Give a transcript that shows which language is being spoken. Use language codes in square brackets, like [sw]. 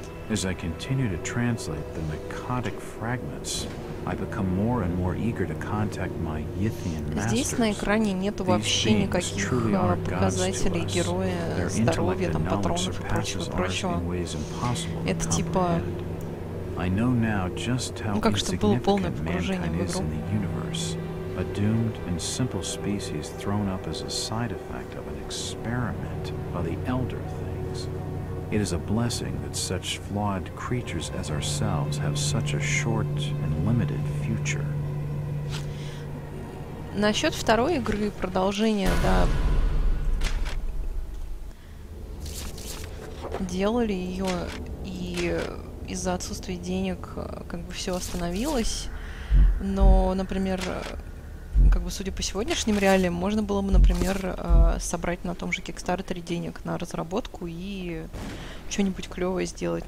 [en] As I continue to translate the necrotic fragments, I become more and more eager to contact my Yithian masters. [ru] Здесь на экране нету вообще никаких показателей героя, здоровья, там, патронов и прочего-прочего. Это типа... Ну как что было полное погружение в игру. [en] A doomed and simple species thrown up as a side effect of an experiment by the Elder Things. It is a blessing that such flawed creatures as ourselves have such a short and limited future. [ru] Насчет второй игры, продолжения, да. Делали ее, и из-за отсутствия денег как бы все остановилось. Но, например, как бы судя по сегодняшним реалиям, можно было бы, например, собрать на том же Kickstarter денег на разработку и что-нибудь клевое сделать.